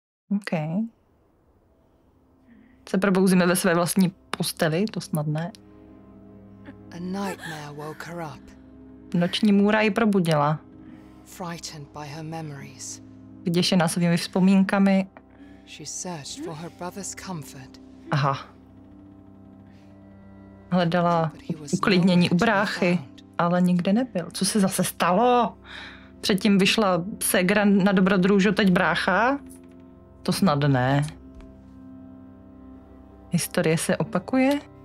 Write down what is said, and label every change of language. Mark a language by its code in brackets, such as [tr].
[cs] OK. Se probouzíme ve své vlastní posteli, to snad ne. [en] A nightmare woke her up. [cs] Noční můra ji probudila. [en] Frightened by her memories. [cs] Vyděšená svými vzpomínkami. [en] She searched for her brother's comfort. Aha. [cs] Hledala uklidnění u bráchy, ale nikde nebyl. Co se zase stalo? Předtím vyšla ségra na dobrodružu, teď brácha? To snad ne. Historie se opakuje?